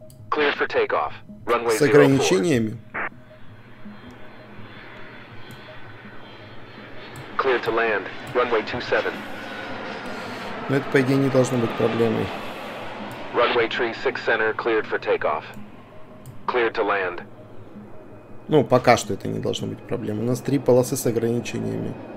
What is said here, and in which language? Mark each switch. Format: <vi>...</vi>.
<en>Cleared for takeoff.</en> <ru>С ограничениями.</ru> <en>Cleared to land. Runway 27.</en> <ru>Но это, по идее, не должно быть проблемой.</ru> <en>Runway 36 center cleared for takeoff. Cleared to land.</en> <ru>Ну, пока что это не должно быть проблемой. У нас три полосы с ограничениями.</ru>